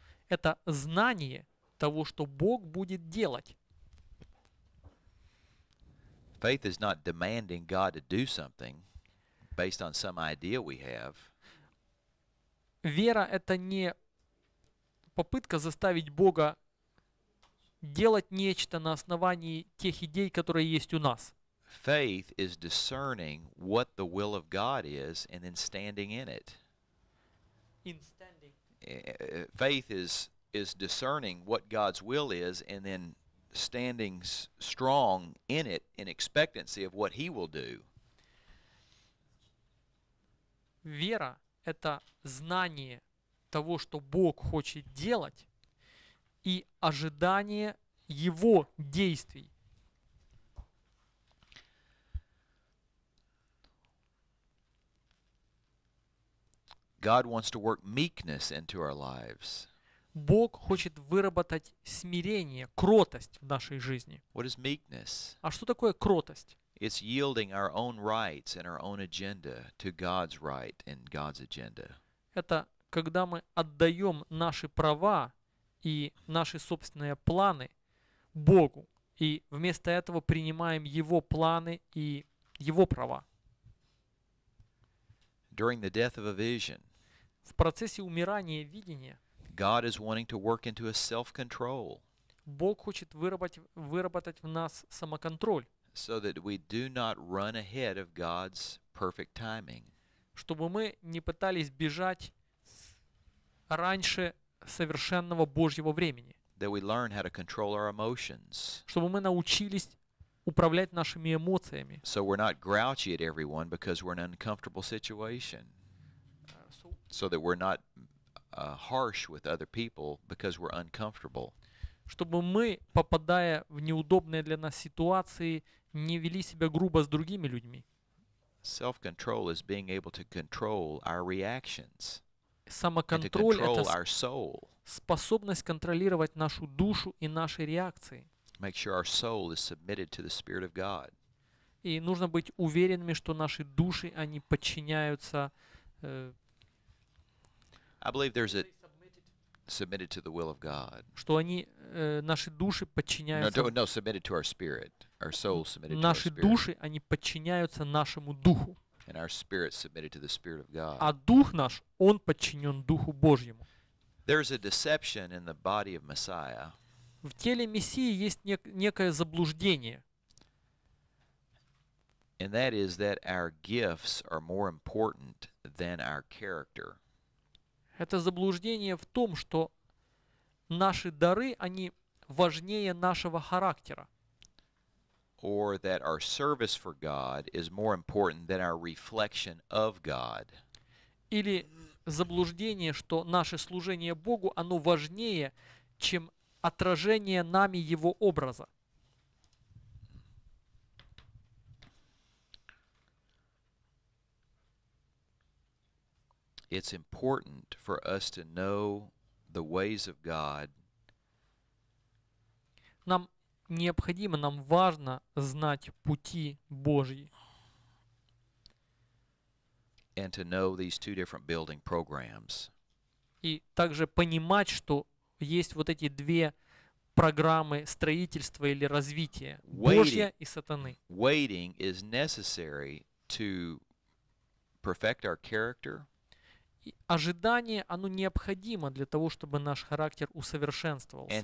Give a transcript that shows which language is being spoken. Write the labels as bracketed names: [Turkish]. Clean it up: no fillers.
[Russian] Это знание того, что Бог будет делать. [English] Faith is not demanding God to do something. Based on some idea we have. [Russian] Вера — это не попытка заставить Бога делать нечто на основании тех идей, которые есть у нас. [English] Faith is discerning what the will of God is and then standing in it. In standing. Faith is discerning what God's will is and then standing strong in it in expectancy of what He will do. [Russian] Вера — это знание того, что Бог хочет делать, и ожидание его действий. [English] God wants to work meekness into our lives. [Russian] Бог хочет выработать смирение, кротость в нашей жизни. [English] What is meekness? [Russian] А что такое кротость? [English] It's yielding our own rights and our own agenda to God's right and God's agenda. [Russian] Это когда мы отдаем наши права и наши собственные планы Богу, и вместо этого принимаем Его планы и Его права. [English] During the death of a vision, [Russian] в процессе умирания видения, [English] God is wanting to work into a self-control. [Russian] Бог хочет выработать в нас самоконтроль. [English] So that we do not run ahead of God's perfect timing. [Russian] Чтобы мы не пытались бежать раньше совершенного Божьего времени. [English] That we learn how to control our emotions. [Russian] Чтобы мы научились управлять нашими эмоциями. [English] So we're not grouchy at everyone because we're in an uncomfortable situation. So that we're not harsh with other people because we're uncomfortable. [Russian] Чтобы мы, попадая в неудобные для нас ситуации, не вели себя грубо с другими людьми. [English] Self-control is being able to control our reactions. [Russian] Самоконтроль — [English] and to control our soul. [Russian] Способность контролировать нашу душу и наши реакции. [English] Make sure our soul is submitted to the Spirit of God. [Russian] И нужно быть уверенными, что наши души, они подчиняются [English] submitted to the will of God. [Russian] Что они наши души подчиняются. [English] No, submitted to our spirit. Our soul submitted to our spirit. [Russian] Наши души, они подчиняются нашему духу. [English] And our spirit submitted to the Spirit of God. [Russian] А дух наш, он подчинен духу Божьему. [English] There's a deception in the body of Messiah. [Russian] В теле Мессии есть некое заблуждение. [English] And that is that our gifts are more important than our character. [Russian] Это заблуждение в том, что наши дары, они важнее нашего характера. [English] Or that our service for God is more important than our reflection of God. [Russian] Или заблуждение, что наше служение Богу, оно важнее, чем отражение нами Его образа. [English] It's important for us to know the ways of God. [Russian] Нам необходимо, нам важно знать пути Божьи. [English] And to know these two different building programs. [Russian] И также понимать, что есть вот эти две программы строительства или развития, Божья и сатаны. [English] Waiting is necessary to perfect our character. [Russian] И ожидание, оно необходимо для того, чтобы наш характер усовершенствовался.